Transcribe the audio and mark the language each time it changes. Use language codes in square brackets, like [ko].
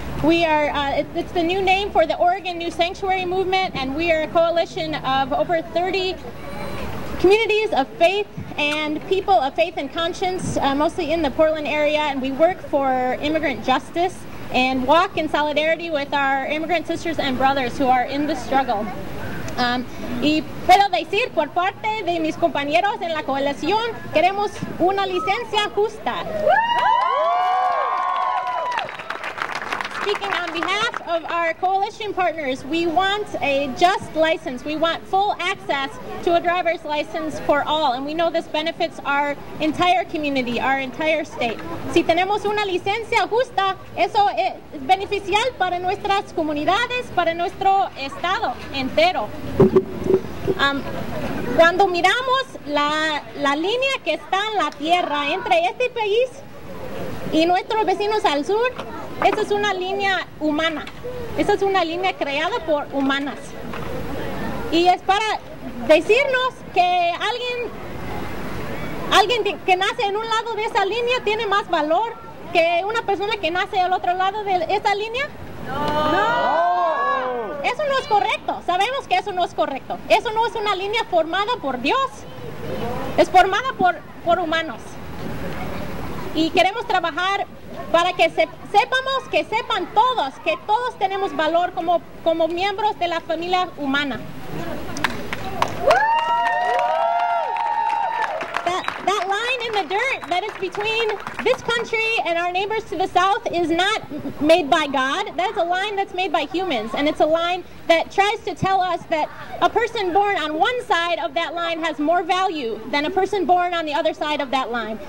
[en] We are it's the new name for the Oregon New Sanctuary Movement, and we are a coalition of over 30 communities of faith and people of faith and conscience, mostly in the Portland area, and we work for immigrant justice and walk in solidarity with our immigrant sisters and brothers who are in the struggle. [es] Y puedo decir por parte de mis compañeros en la coalición, queremos una licencia justa. [en] Speaking on behalf of our coalition partners, we want a just license. We want full access to a driver's license for all. And we know this benefits our entire community, our entire state. [es] Si tenemos una licencia justa, eso es beneficial para nuestras comunidades, para nuestro estado entero. Cuando miramos la línea que está en la tierra entre este país y nuestros vecinos al sur, esa es una línea humana. Esa es una línea creada por humanas. Y es para decirnos que alguien que nace en un lado de esa línea tiene más valor que una persona que nace al otro lado de esa línea. ¡No! Eso no es correcto. Sabemos que eso no es correcto. Eso no es una línea formada por Dios. Es formada por humanos. Y queremos trabajar para que sepan todos que todos tenemos valor como miembros de la familia humana. [en] That line in the dirt that is between this country and our neighbors to the south is not made by God. That is a line that's made by humans. And it's a line that tries to tell us that a person born on one side of that line has more value than a person born on the other side of that line.